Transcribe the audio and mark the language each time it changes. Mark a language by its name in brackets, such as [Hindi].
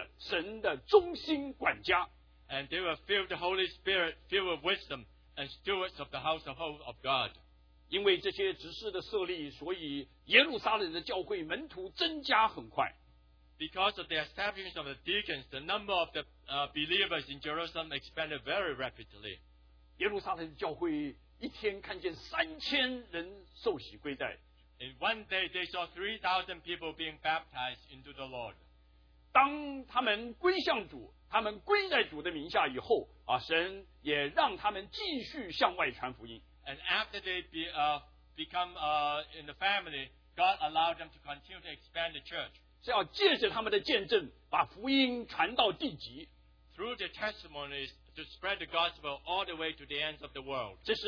[Chinese] 他们是蛮有智慧的，神的忠心管家。 [English] And they were filled with the Holy Spirit, filled with wisdom, and stewards of the household of God. [Chinese] 因为这些执事的设立，所以耶路撒冷的教会门徒增加很快。 [English] Because of the establishment of the deacons, the number of the believers in Jerusalem expanded very rapidly. [Chinese] 耶路撒冷的教会一天看见3000人受洗归在。 [English] In one day, they saw 3,000 people being baptized into the Lord. [Chinese] 当他们归向主，他们归在主的名下以后，神也让他们继续向外传福音。 [English] And after they become in the family, God allowed them to continue to expand the church. [Chinese] 是要借着他们的见证，把福音传到地极。 [English] Through the testimonies to spread the gospel all the way to the ends of the world.